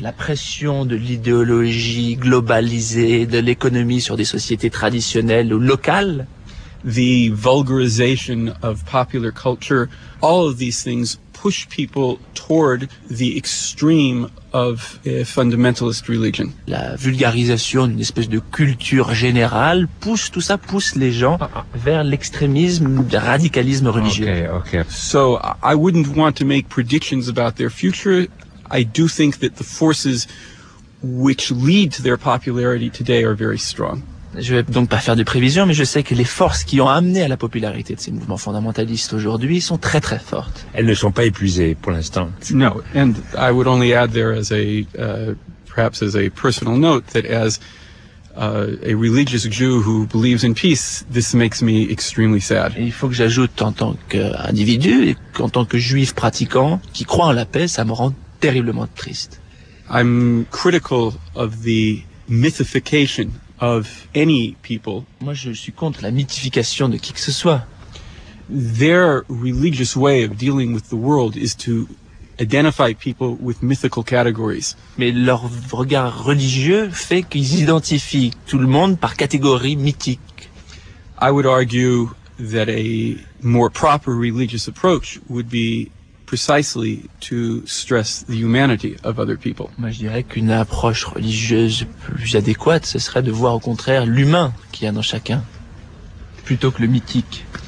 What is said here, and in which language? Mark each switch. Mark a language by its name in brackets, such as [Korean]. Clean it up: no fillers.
[French] La pression de l'idéologie globalisée, de l'économie sur des sociétés traditionnelles ou locales. [English] The vulgarization of popular culture. All of these things push people toward the extreme of a fundamentalist religion. [French] La vulgarisation d'une espèce de culture générale pousse tout ça, pousse les gens vers l'extrémisme, le radicalisme religieux. [English] Okay. So I wouldn't want to make predictions about their future. I do think that the forces which lead to their popularity today are very strong. [French] Je ne vais donc pas faire de prévisions, mais je sais que les forces qui ont amené à la popularité de ces mouvements fondamentalistes aujourd'hui sont très très fortes. Elles ne sont pas épuisées pour l'instant. [English] No, and I would only add there as a perhaps as a personal note that as a religious Jew who believes in peace, this makes me extremely sad. [French] Et il faut que j'ajoute en tant qu'individu et en tant que juif pratiquant qui croit en la paix, ça me rend terriblement triste. [English] I'm critical of the mythification of any people. [French] Moi, je suis contre la mythification de qui que ce soit. [English] Their religious way of dealing with the world is to identify people with mythical categories. [French] Mais leur regard religieux fait qu'ils identifient tout le monde par catégorie mythique. [English] I would argue that a more proper religious approach would be precisely to stress the humanity of other people. [French] Moi, je dirais qu'une approche religieuse plus adéquate, ce serait de voir au contraire l'humain qu'il y a dans chacun, plutôt que le mythique.